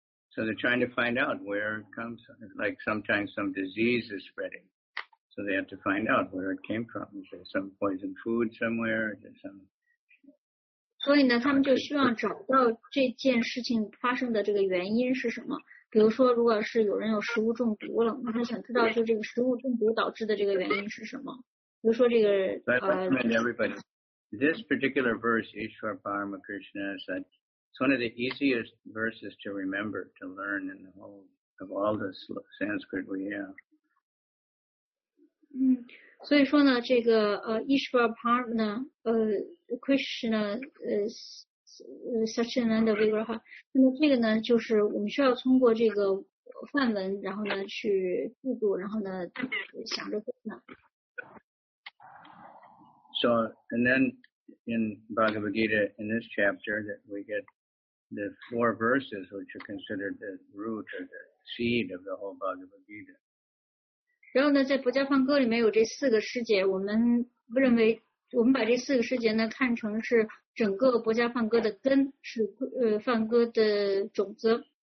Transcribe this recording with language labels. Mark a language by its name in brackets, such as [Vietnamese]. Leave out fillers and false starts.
[English] So they're trying to find out where it comes. Like sometimes some disease is spreading, so they have to find out where it came from. Is there some poison food somewhere? Is there some [Chinese] 所以呢，他们就希望找到这件事情发生的这个原因是什么。比如说，如果是有人有食物中毒了，那他想知道就这个食物中毒导致的这个原因是什么。比如说这个 [English] Everybody, this particular verse, Ishvara Parama Krishna, is that it's one of the easiest verses to remember, to learn in the whole of all the Sanskrit we have. [Chinese] 所以说呢，这个Ishvara Parama 呢，Krishna Sachinanda Vigraha 那么这个呢就是我们需要通过这个梵文然后呢去记住然后呢想着 Krishna [English] So and then in Bhagavad Gita in this chapter that we get the four verses which are considered the root or the seed of the whole Bhagavad Gita [Chinese] 然后呢在《薄伽梵歌》里面有这四个师姐我们不认为我们把这四个师姐呢看成是整个薄伽梵歌的根，是梵歌的种子。